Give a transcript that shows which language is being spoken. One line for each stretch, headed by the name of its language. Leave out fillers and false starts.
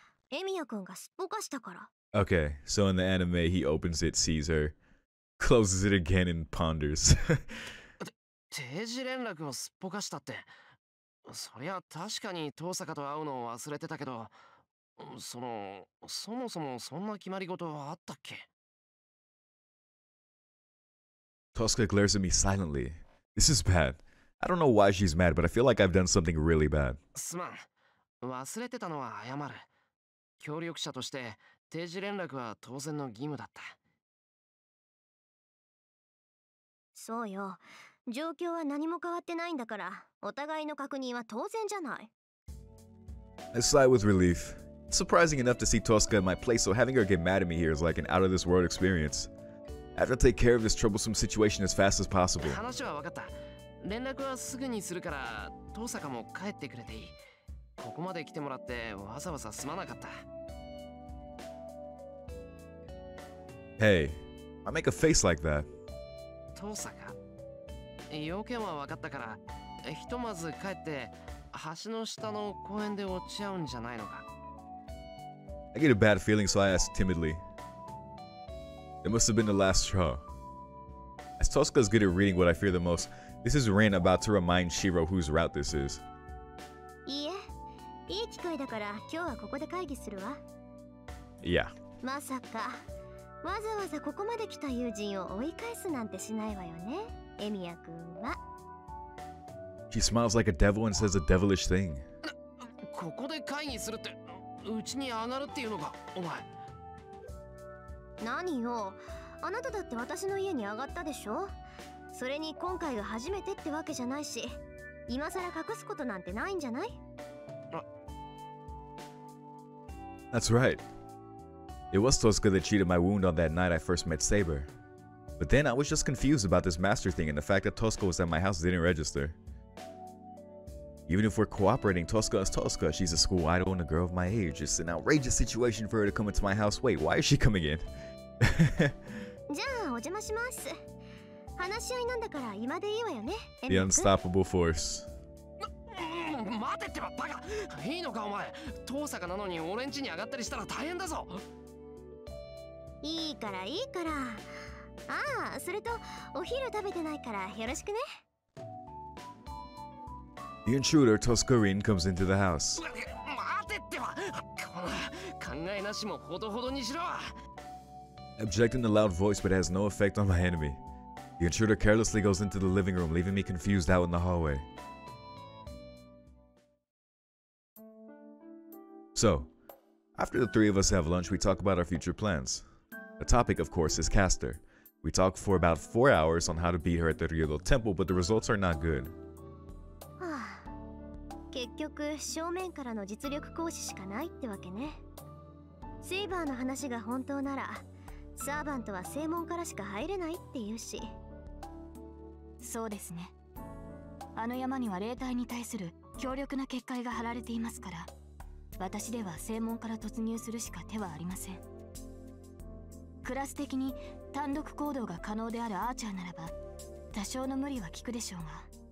Japanese: エミヤ君がすっぽかしたから。
English: Okay, so in the anime, he opens it, sees her, closes it again, and ponders.
Japanese: 定時連絡をすっぽかしたって、そりゃ確かに遠坂と会うのを忘れてたけど、その、そもそもそんな決まり事はあったっけ？
English: Tosca glares at me silently. This is bad. I don't know why she's mad, but I feel like I've done something really bad.
Japanese: すまん。忘れてたのは謝る。協力者として、定時連絡は当然の義務だった。そうよ。状況は何も変わってないんだから、お互いの確認は当然じゃない。
English: I sigh with relief. It's surprising enough to see Tosca in my place, so having her get mad at me here is like an out-of-this-world experience. I have to take care of this troublesome situation as fast as possible.
Japanese: 話は分かった。連絡はすぐにするから、遠坂も帰ってくれていい。ここまで来てもらってわざわざすまなかった。
English: Hey, I make a face like that.
Japanese: 遠坂、要件は分かったから、ひとまず帰って橋の下の公園で落ち合うんじゃないのか。
English: I get a bad feeling, so I ask timidly. It must have been the last straw. As Tosca is good at reading what I fear the most, this is Rin about to remind Shirou whose route this is.
Japanese: いいえ、いい機会だから今日はここで会議するわ。
English: Yeah.
Japanese: まさか、わざわざここまで来た友人を追い返すなんてしないわよね。
English: She smiles like a devil and says a devilish thing.
Japanese: ここで会議するって、うちに上がるっていうのか、お前。何よ、あなただって私の家に上がったでしょ。それに今回が初めてってわけじゃないし、今更隠すことなんてないんじゃない。
English: That's right. It was Tosca that cheated my wound on that night I first met Saber. But then I was just confused about this master thing and the fact that Tosca was at my house didn't register. Even if we're cooperating, Tosca is Tosca. She's a school idol and a girl of my age. It's an outrageous situation for her to come into my house. Wait, why is she coming in?
Japanese: じゃあお邪魔します。話し合いなんだから今でいいわよね。
English: The unstoppable force.
Japanese: 待てってばバカ。いいのかお前。トーサカなのに俺ん家に上がったりしたら大変だぞ。いいからいいから。ああ、それとお昼食べてないからよろしくね。
English: The intruder Tosca Rin comes into the house.
Japanese: 待てってば、この考えなしもほどほどにしろ。
English: Object in a loud voice, but has no effect on my enemy. The intruder carelessly goes into the living room, leaving me confused out in the hallway. So, after the three of us have lunch, we talk about our future plans. The topic, of course, is Castor. We talk for about 4 hours on how to beat her at the Ryudo Temple, but the results are not good.
Japanese: 結局正面からの実力行使しかないってわけね。セイバーの話が本当なら、サーバントは正門からしか入れないっていうし。そうですね。あの山には霊体に対する強力な結界が張られていますから、私では正門から突入するしか手はありません。クラス的に単独行動が可能であるアーチャーならば、多少の無理は効くでしょうが。